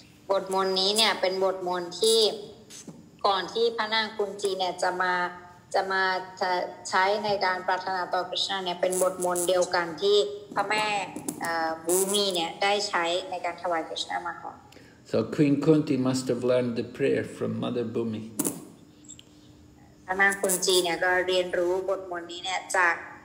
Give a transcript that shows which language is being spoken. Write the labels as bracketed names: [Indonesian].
[Thai] บทมนต์นี้เนี่ยเป็นบทมนต์ที่ก่อนที่พระนางกุนทีเนี่ยจะมาใช้ในการปรารถนาต่อ Krishna เนี่ยเป็นบทมนต์เดียวกันที่พระแม่บูมีเนี่ยได้ใช้ในการถวาย Krishna มาก่อน [English] So Queen Kunti must have learned the prayer from Mother Bhumi. [Thai] พระนางกุนทีเนี่ยก็เรียนรู้บทมนต์นี้เนี่ยจาก